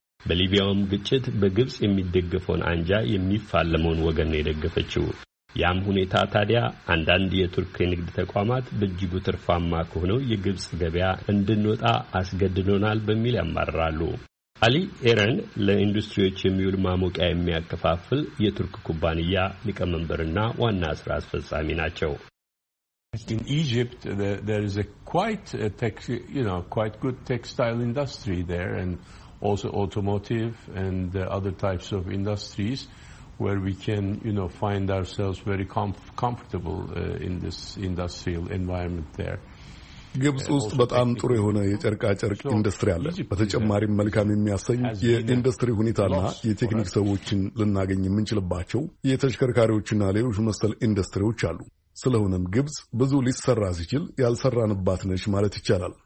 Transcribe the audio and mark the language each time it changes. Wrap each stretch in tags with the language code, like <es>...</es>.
<am>በሊቢያውም ግጭት በግብጽ የሚደገፈውን አንጃ የሚፋለመውን ወገን ነው የደገፈችው። ያም ሁኔታ ታዲያ አንዳንድ የቱርክ የንግድ ተቋማት በእጅጉ ትርፋማ ከሆነው የግብጽ ገበያ እንድንወጣ አስገድዶናል በሚል ያማርራሉ። አሊ ኤረን ለኢንዱስትሪዎች የሚውል ማሞቂያ የሚያከፋፍል የቱርክ ኩባንያ ሊቀመንበርና ዋና ስራ አስፈጻሚ ናቸው።</am> <en>In Egypt, there is a quite good textile industry there, and also automotive and other types of industries where we can, you know, find ourselves very comfortable in this industrial environment there.</en> <am>ግብጽ ውስጥ በጣም ጥሩ የሆነ የጨርቃ ጨርቅ ኢንዱስትሪ አለ። በተጨማሪም መልካም የሚያሰኝ የኢንዱስትሪ ሁኔታና የቴክኒክ ሰዎችን ልናገኝ የምንችልባቸው የተሽከርካሪዎችና ሌሎች መሰል ኢንዱስትሪዎች አሉ። ስለሆነም ግብጽ ብዙ ሊሰራ ሲችል ያልሰራንባት ነች ማለት ይቻላል።</am>